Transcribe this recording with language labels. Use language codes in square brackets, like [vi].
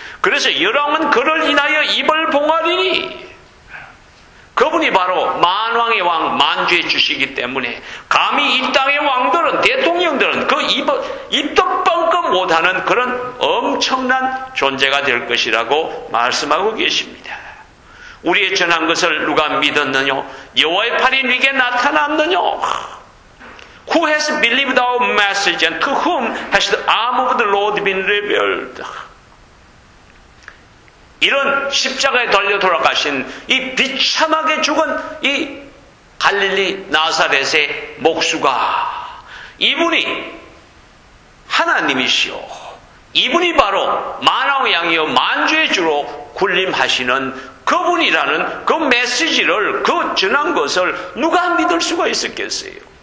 [ko] 그래서 열왕은 그를 인하여 입을 봉하리니 그분이 바로 만왕의 왕 만주의 주시기 때문에 감히 이 땅의 왕들은 대통령들은 그 입덕 뻥끔 못하는 그런 엄청난 존재가 될 것이라고 말씀하고 계십니다. 우리의 전한 것을 누가 믿었느냐? 여호와의 팔이 네게 나타났느냐? [en] Who has believed our message and to whom has the arm of the Lord been revealed? [ko] 이런 십자가에 달려 돌아가신 이 비참하게 죽은 이 갈릴리 나사렛의 목수가 이분이 하나님이시오. 이분이 바로 만왕의 양이요 만주의 주로 군림하시는 그분이라는 그 메시지를 그 전한 것을 누가 믿을 수가 있었겠어요?